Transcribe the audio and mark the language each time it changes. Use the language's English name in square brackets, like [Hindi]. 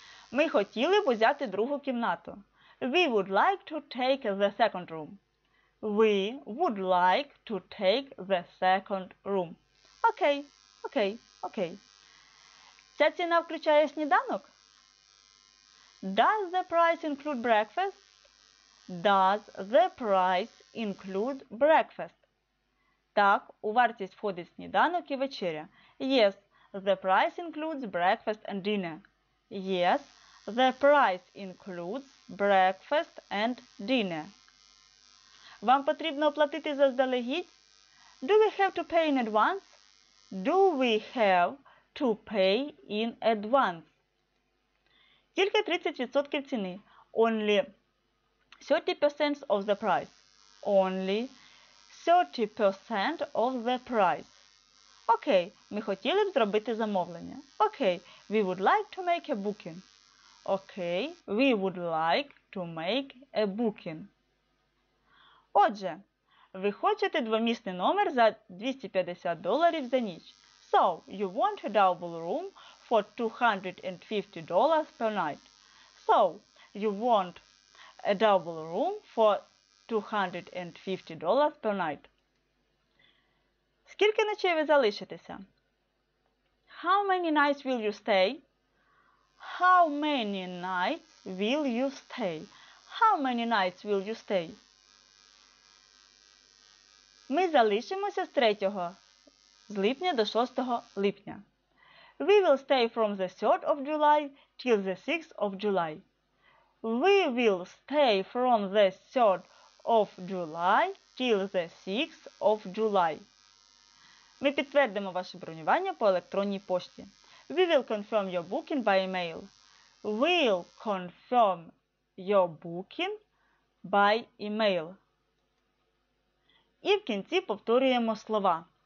[Ukrainian] Ми хотіли б взяти другу кімнату. [English] We would like to take the second room. We would like to take the second room. [Ukrainian] Окей, окей, окей. Ця ціна включає сніданок? [English] Does the price include breakfast? Does the price include breakfast? [Ukrainian] Так, у вартість входить сніданок і вечеря. [English] Yes, the price includes breakfast and dinner. Yes, the price includes breakfast and dinner. [Ukrainian] Вам потрібно оплатити заздалегідь? [English] Do we have to pay in advance? Do we have to pay in advance? [Ukrainian] Тільки 30% ціни. [English] Only 30% of the price. Only 30% of the price. [Ukrainian] Окей, ми хотіли б зробити замовлення. [English] Окей, we would like to make a booking. Окей, we would like to make a booking. [Ukrainian] Отже, ви хочете двомісний номер за $250 за ніч. [English] So, you want a double room for $250 per night. So, you want a double room for $250 per night. [Ukrainian] Скільки ночей ви залишитеся? [English] How many nights will you stay? How many nights will you stay? How many nights will you stay? [Ukrainian] Ми залишимося з 3 липня до 6 липня. [English] We will stay from the 3rd of July till the 6th of July. We will stay from the 3rd of July till the 6th of July. [Ukrainian] Ми підтвердимо ваше бронювання по електронній пошті. [English] We will confirm your booking by email. We'll confirm your booking by email. [Ukrainian] І в кінці повторюємо слова.